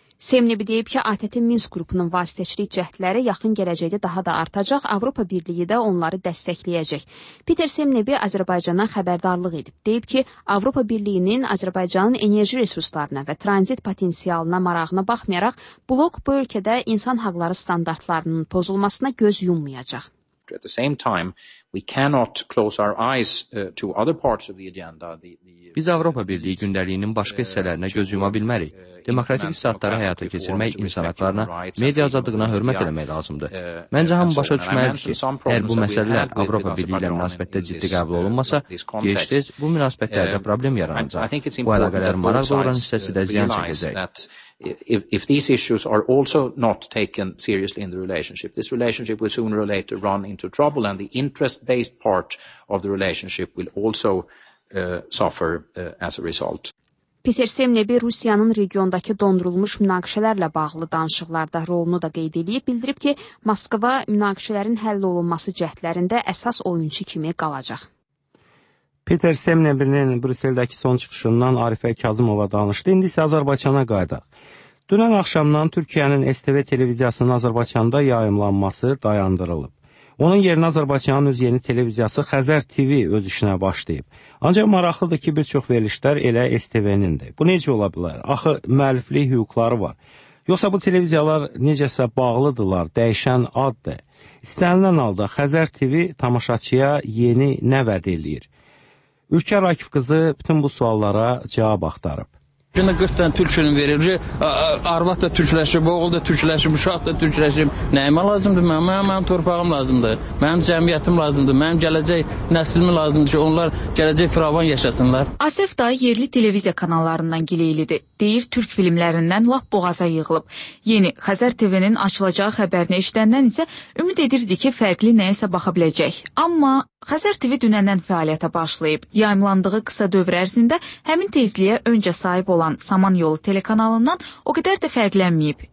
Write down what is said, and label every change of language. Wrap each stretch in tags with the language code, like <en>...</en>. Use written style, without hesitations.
<az>Semnevi deyib ki, ATT-in Minsk qrupunun vasitəçilik cəhdləri yaxın gələcəkdə daha da artacaq, Avropa Birliyi də onları dəstəkləyəcək. Peter Semnevi Azərbaycana xəbərdarlıq edib. Deyib ki, Avropa Birliyinin Azərbaycanın enerji resurslarına və tranzit potensialına marağına baxmayaraq, blok bu ölkədə insan haqları standartlarının pozulmasına göz yummayacaq.</az> <en>At the same time, we cannot close our eyes to other parts of the agenda.</en> <az>Biz Avropa Birliyi gündəliyinin başqa hissələrinə göz yuma bilmərik. Demokratik islahatları həyata keçirmək, insan haqlarına, media azadlığına hörmət eləmək lazımdır. Məncə hamı başa düşməlidir ki, əgər bu məsələlər Avropa Birliyi ilə münasibətdə ciddi qəbul olunmasa, gec-tez bu münasibətlərdə problem yaranacaq. Bu əlaqələrin maraq doğuran hissəsi də ziyan çəkəcək.</az> <en>If these issues are also not taken seriously in the relationship, this relationship will sooner or later run into trouble and the interest-based part of the relationship will also suffer as a result.</en> <az>Peter Semnevi Rusiyanın regiondakı dondurulmuş münaqişələrlə bağlı danışıqlarda rolunu da qeyd edib, bildirib ki, Moskva münaqişələrin həll olunması cəhdlərində əsas oyunçu kimi qalacaq. Peter Semnevinin Brüsseldəki son çıxışından Arifə Kazımova danışdı. İndi isə Azərbaycana qayıdaq. Dünən axşamdan Türkiyənin STV televiziyasının Azərbaycanda yayımlanması dayandırılıb. Onun yerinə Azərbaycanın öz yeni televiziyası Xəzər TV öz işinə başlayıb. Ancaq maraqlıdır ki, bir çox verilişlər elə STV-nindir. Bu necə ola bilər? Axı, müəlliflik hüquqları var. Yoxsa bu televiziyalar necəsə bağlıdırlar, dəyişən addır. İstənilən halda Xəzər TV tamaşaçıya yeni nə vəd eləyir? Ülkər Akif qızı bütün bu suallara cavab axtarıb. Şimdi 40 tane Türk film verir, arvat da Türkləşib, oğul da Türkləşib, uşaq da Türkləşib. Nəyimə lazımdır? Mənim torpağım lazımdır, mənim cəmiyyətim lazımdır, mənim gələcək nəslimi lazımdır ki, onlar gələcək firavan yaşasınlar. Asef da yerli televiziya kanallarından gileylidir. Deyir, Türk filmlərindən lap boğaza yığılıb. Yeni Xəzər TV-nin açılacağı xəbərini işləndən isə ümid edirdi ki, fərqli nəyəsə baxa biləcək. Amma Xəzər TV dünəndən fəaliyyətə başlayıb. Yayımlandığı qısa dövr ərzində həmin tezliyə öncə sahib olan Saman Yolu telekanalından o qədər də fərqlənməyib.</az>